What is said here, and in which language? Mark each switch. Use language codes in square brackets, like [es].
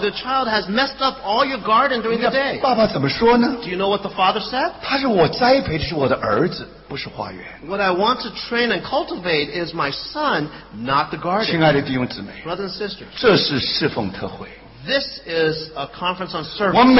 [en] The child has messed up all your garden during the day. [zh] 爸爸怎么说呢? [en] Do you know what the father said? [zh] 他是我栽培的是我的儿子, [en] what I want to train and cultivate is my son, not the garden. [zh] 亲爱的弟兄姊妹, [en] brothers and sisters, [zh] 这是侍奉特会, [en] this is a conference on service.